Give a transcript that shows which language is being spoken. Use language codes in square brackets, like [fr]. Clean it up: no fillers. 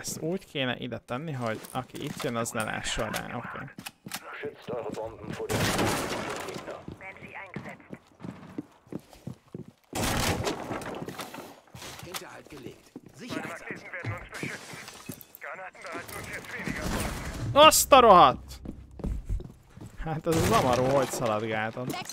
[hu] Ezt úgy kéne ide tenni, hogy aki itt jön, az ne lássa rá. Oké. [de] Schützt eure Bomben vor den Gegner. Werden sie eingesetzt. Hinterhalt gelegt. Sicherheit. Meine Raketen werden uns beschützen. [hu] Azt a rohadt! Hát ez zavaró, hogy szaladgáltam.